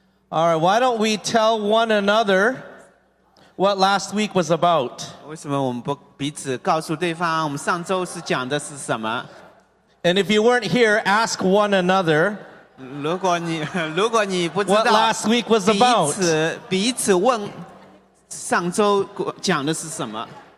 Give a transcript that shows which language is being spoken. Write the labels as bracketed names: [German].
[English] All right, why don't we tell one another what last week was about? [Chinese] 为什么我们不彼此告诉对方我们上周是讲的是什么? [English] And if you weren't here, ask one another [Chinese] 如果你不知道, [English] what last week was about. [Chinese] 彼此问上周讲的是什么?